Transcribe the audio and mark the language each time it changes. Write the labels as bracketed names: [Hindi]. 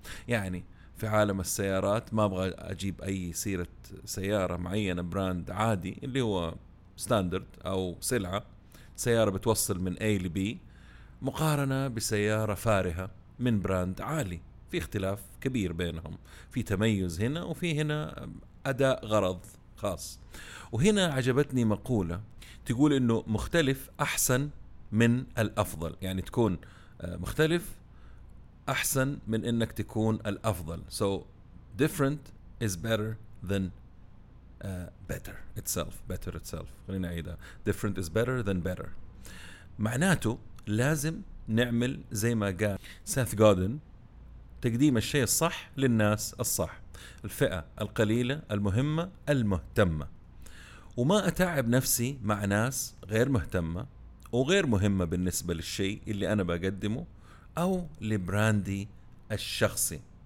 [Arabic] يعني في عالم السيارات ما أبغى أجيب أي سيرة سيارة معينة براند عادي اللي هو ستاندرد أو سلعة، سيارة بتوصل من A ل B، مقارنة بسيارة فارهة من براند عالي، في اختلاف كبير بينهم، في تميز هنا وفي هنا أداء غرض خاص. وهنا عجبتني مقولة تقول إنه مختلف أحسن من الأفضل، يعني تكون مختلف أحسن من إنك تكون الأفضل. [English] So different is better than better itself. Better itself. [Arabic] خلينا نعيدها. [English] Different is better than better. [Arabic] معناته لازم نعمل زي ما قال سيث غودن، تقديم الشيء الصح للناس الصح، الفئة القليلة المهمة المهتمة، وما أتعب نفسي مع ناس غير مهتمة وغير مهمة بالنسبة للشيء اللي أنا بقدمه أو لبراندي الشخصي.